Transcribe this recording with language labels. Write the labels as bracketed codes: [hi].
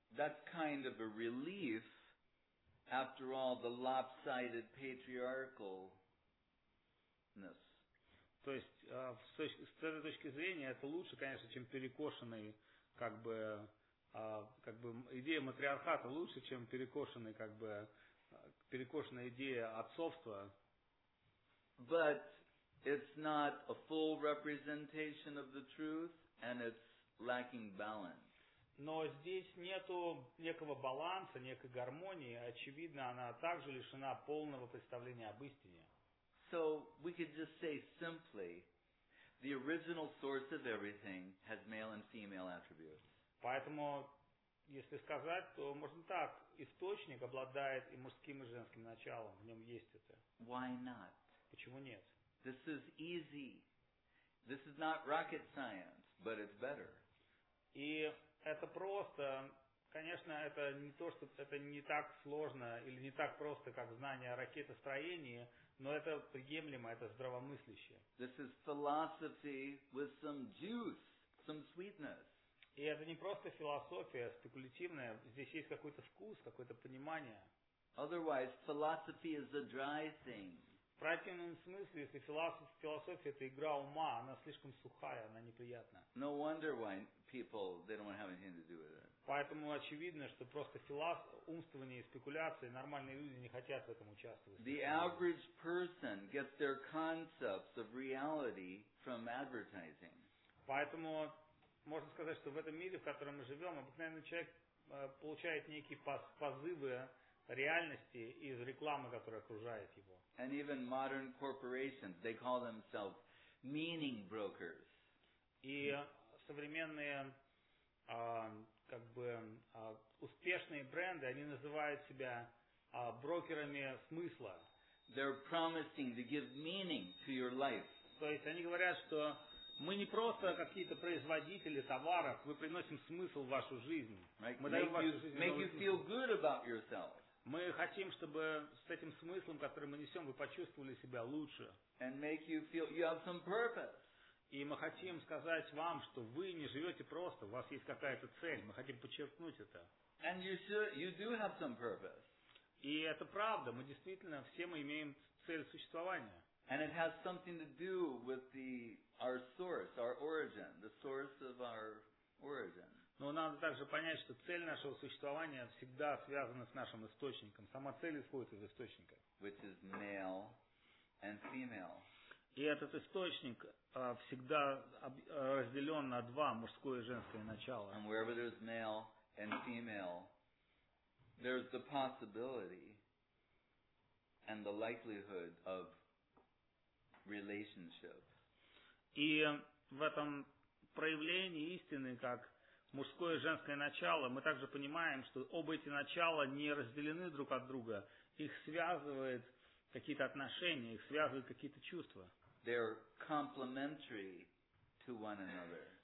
[en] That's kind of a relief after all the lopsided patriarchalness. [ru] То есть, с этой точки зрения, это лучше, конечно, чем перекошенный, как бы идея матриархата лучше, чем перекошенный, как бы, перекошенная идея отцовства. [en] But it's not a full representation of the truth, and it's lacking balance. [ru] Но здесь нету некого баланса, некой гармонии, очевидно, она также лишена полного представления об истине. [en] So we could just say simply, the original source of everything has male and female attributes. [ru] Поэтому, если сказать, то можно так, источник обладает и мужским, и женским началом, в нем есть это. [en] Why not? [ru] Почему нет? [en] This is easy. This is not rocket science, but it's better. [ru] И это просто, конечно, это не то, что это не так сложно или не так просто, как знание о ракетостроении, но это приемлемо, это здравомыслящее. [en] This is philosophy with some juice, some sweetness. [ru] И это не просто философия спекулятивная, здесь есть какой-то вкус, какое-то понимание. [en] Otherwise, philosophy is a dry thing. [ru] В противном смысле, если философия это игра ума, она слишком сухая, она неприятна. [en] No wonder why people, they don't have anything to do with it. [ru] Поэтому очевидно, что просто умствование и спекуляции, нормальные люди не хотят в этом участвовать. [en] The average person gets their concepts of reality from advertising. [ru] Поэтому можно сказать, что в этом мире, в котором мы живем, обыкновенный человек получает некие позывы реальности из рекламы, которая окружает его. [en] And even modern corporations, they call themselves meaning brokers. [ru] И современные как бы успешные бренды, они называют себя брокерами смысла. [en] They're promising to give meaning to your life. [ru] То есть они говорят, что мы не просто какие-то производители товаров, мы приносим смысл в вашу жизнь. [en] Right. [ru] Мы [en] make [ru] даем вашу жизнь. [en] Make you feel good about yourself. [ru] Мы хотим, чтобы с этим смыслом, который мы несем, вы почувствовали себя лучше. [en] And make you feel you have some purpose. [ru] И мы хотим сказать вам, что вы не живете просто, у вас есть какая-то цель, мы хотим подчеркнуть это. [en] And you do have some purpose. [ru] И это правда, мы действительно, все мы имеем цель существования. [en] And it has something to do with our source, our origin, the source of our origin. [ru] Но надо также понять, что цель нашего существования всегда связана с нашим источником. Сама цель исходит из источника. [en] Which is male and female. [ru] И этот источник всегда разделен на два, мужское и женское начало. [en] And wherever there's male and female, there's the possibility and the likelihood of relationship. [ru] И в этом проявлении истины, как мужское и женское начало, мы также понимаем, что оба эти начала не разделены друг от друга. Их связывают какие-то отношения, их связывают какие-то чувства. [en] They're complementary to one another.